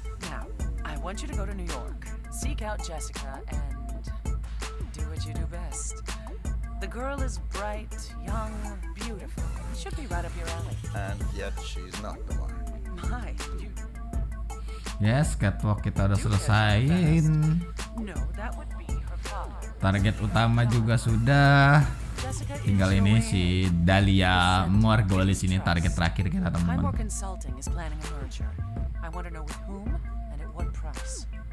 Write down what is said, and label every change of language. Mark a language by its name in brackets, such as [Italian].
[English] Now, I want you to go to New York. Seek out Jessica and do what you do best. The girl is bright, young, beautiful. Should be right up your alley. And yet she's not the one. My, you. [Indonesian] Yes, catwalk kita udah selesaiin. [English] No, that would be her father. [Indonesian] Target utama juga sudah. Tinggal ini si Dahlia Margolis ini target terakhir kita teman-teman. [English] Highmore Consulting is planning a merger. I want to know with whom and at what price.